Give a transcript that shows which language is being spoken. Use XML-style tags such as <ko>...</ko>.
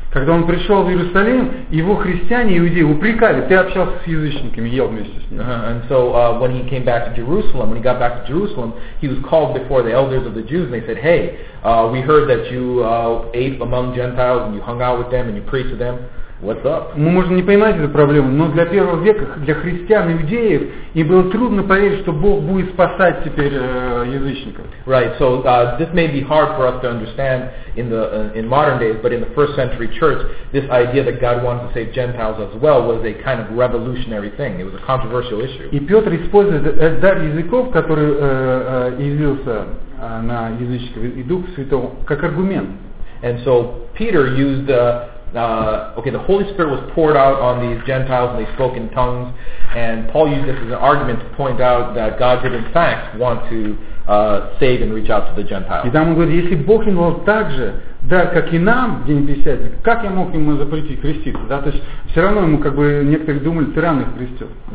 <ru>Когда он пришел в Иерусалим, его христиане, иудеи, упрекали, ты общался с язычниками, ел вместе с ними.</ru> <en>And so when he came back to Jerusalem, when he got back to Jerusalem, he was called before the elders of the Jews, and they said, hey, we heard that you ate among Gentiles, and you hung out with them, and you preached to them. What's up?</en> <ru>Мы можем не понимать эту проблему, но для первого века, для христиан и иудеев, им было трудно поверить, что Бог будет спасать теперь язычников.</ru> <en>Right, so this may be hard for us to understand in modern days, but in the first century church, this idea that God wanted to save Gentiles as well was a kind of revolutionary thing. It was a controversial issue.</en> <ru>И Петр использует дар языков, который явился на язычников, и Дух Святого, как аргумент.</ru> <en>And so Peter used okay, the Holy Spirit was poured out on these Gentiles and they spoke in tongues, and Paul used this as an argument to point out that God did in fact want to save and reach out to the Gentiles.</en> <ru>И там он говорит, если Бог ему так же, да, как и нам, день 50, как я мог ему запретить креститься? Да? То есть все равно ему как бы некоторые думали, ты рано их крестил.</ru>